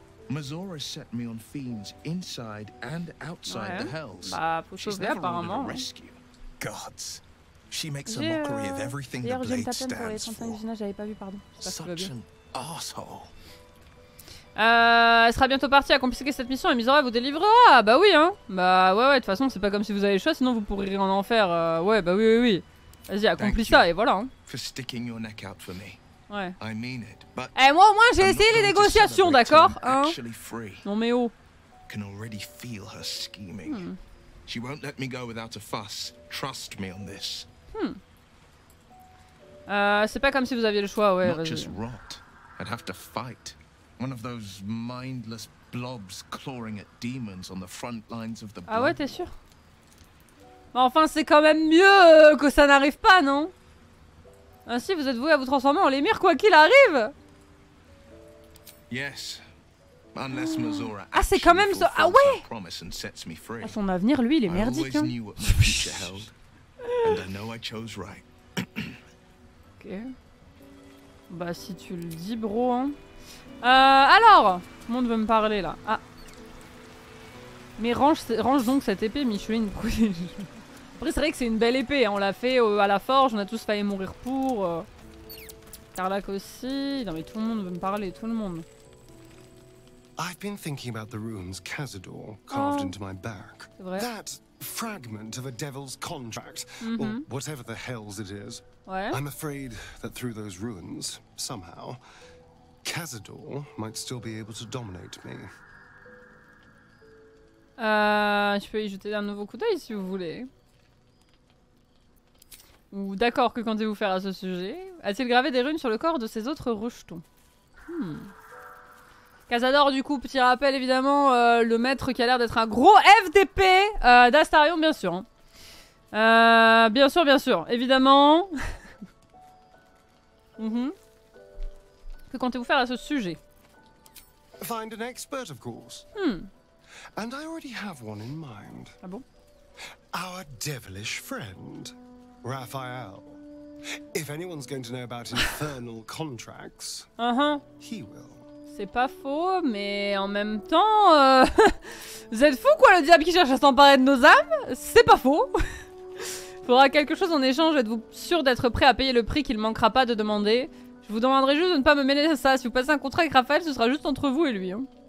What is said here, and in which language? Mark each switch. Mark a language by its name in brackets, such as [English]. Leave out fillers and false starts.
[English] Mazora set me on fiends inside and outside the hells. [French] Bah, faut sauver, apparemment. Rescue. [English] Gods. She makes a mockery of everything the blade stands for. [French] D'ailleurs, j'ai une tatane pour les 35 j'avais pas vu, pardon. [English] Such an asshole. [French] Elle sera bientôt partie à compliquer cette mission et Mizora vous délivrera. Bah oui hein. Bah ouais ouais, de toute façon c'est pas comme si vous avez le choix, sinon vous pourriez en enfer. Ouais bah oui. Vas-y, accomplis ça et voilà. Hein. Ouais. [English] I mean it, but [French] eh moi au moins j'ai essayé les négociations, d'accord hein. Non mais oh. [English] Can already feel her scheming. She won't let me go without a fuss. Trust me on this. [French] C'est pas comme si vous aviez le choix, ouais. [English] Not just rot. I'd have to fight. One of those mindless blobs clawing at demons on the front lines of the. [French] Ah ouais, t'es sûr? Mais enfin, c'est quand même mieux que ça n'arrive pas, non? Ainsi, vous êtes voué à vous transformer en lémur quoi qu'il arrive. [English] Yes, unless Mazora. [French] Ah, c'est quand même ça. Ah ouais. Son avenir, lui, il est merdique. Hein. [English] I always knew what my future held, and I know I chose right. [French] Ok. Bah si tu le dis, bro. Hein. Alors, tout le monde veut me parler là. Ah. Mais range donc cette épée, Micheline. Après, c'est vrai que c'est une belle épée. On l'a fait à la forge, on a tous failli mourir pour. Carlac aussi. Non, mais tout le monde veut me parler, tout le monde. [English] I've been thinking about the runes Cazador carved into my back. [French] C'est vrai. [English] That fragment of a devil's contract, or whatever the hells it is. [French] Ouais. [English] I'm afraid that through those runes, somehow, Cazador might still be able to dominate me. [French] Je peux y jeter un nouveau coup d'œil si vous voulez. Ou d'accord, que comptez-vous faire à ce sujet? A-t-il gravé des runes sur le corps de ses autres rejetons? Cazador, du coup, petit rappel évidemment, le maître qui a l'air d'être un gros FDP d'Astarion, bien sûr. Bien sûr, bien sûr, évidemment. Que comptez-vous faire à ce sujet? [English] Find an expert, of course. And I already have one in mind. Ah bon? Our devilish friend, Raphael. If anyone's going to know about infernal contracts, he will. [French] C'est pas faux, mais en même temps, vous êtes fous quoi, le diable qui cherche à s'emparer de nos âmes? C'est pas faux. Faudra quelque chose en échange, êtes-vous sûr d'être prêt à payer le prix qu'il manquera pas de demander? Je vous demanderai juste de ne pas me mêler à ça. Si vous passez un contrat avec Raphaël, ce sera juste entre vous et lui. Hein.